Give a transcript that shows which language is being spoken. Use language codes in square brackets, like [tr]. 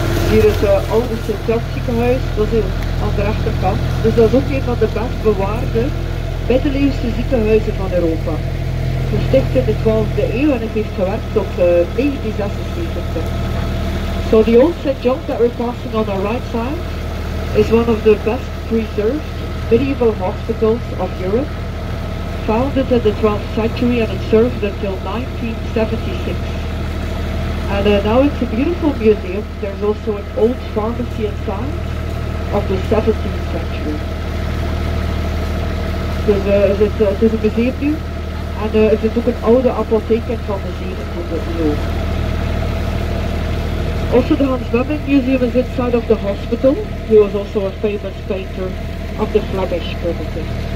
[nl] Hier is het oude St.John's ziekenhuis, dat is aan de rechterkant. Dus dat is ook een van de best bewaarde middeleeuwse ziekenhuizen van Europa. Gesticht in de 12e eeuw en het heeft gewerkt tot 1976. [en] So the old St.John that we're passing on our right side is one of the best preserved medieval hospitals of Europe. Founded in the 12th century and it served until 1976. And now it's a beautiful museum. There's also an old pharmacy inside of the 17th century. [nl] Het is een museum nu. En er zit ook een oude apotheek in van de 17e eeuw. [en] Also the Hans Memmingen Museum is inside of the hospital. He was also a famous painter of the Flemish primitive.